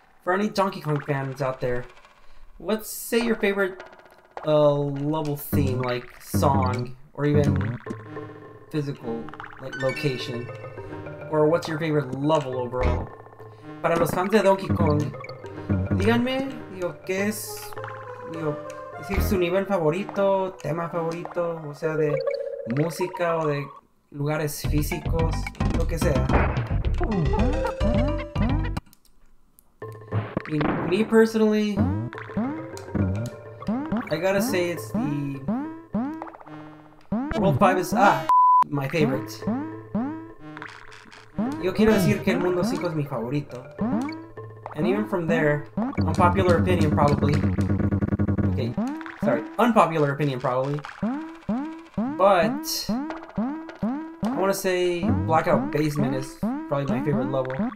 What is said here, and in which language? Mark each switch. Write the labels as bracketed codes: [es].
[en] Any Donkey Kong fans out there, what's say your favorite level theme, like song, or even physical, like location, or what's your favorite level overall? [es] Para los fans de Donkey Kong, díganme, digo, ¿qué es, digo, decir su nivel favorito, tema favorito, o sea, de música o de lugares físicos, lo que sea? [en] Me personally, I gotta say it's the World 5 is my favorite. [es] Yo quiero decir que el mundo 5 es mi favorito. [en] And even from there, unpopular opinion probably. Okay, sorry, unpopular opinion probably. But I wanna say Blackout Basement is probably my favorite level.